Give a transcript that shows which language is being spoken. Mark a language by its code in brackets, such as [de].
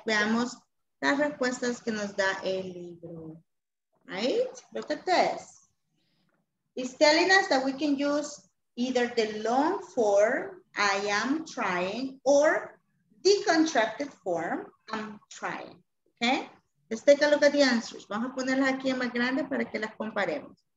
[es] Veamos las respuestas que nos da el libro. [en] Right? Look at this. It's telling us that we can use either the long form, I am trying, or decontracted form, I'm trying, okay? Let's take a look at the answers. [es] Vamos a ponerlas aquí en más grande para que las comparemos.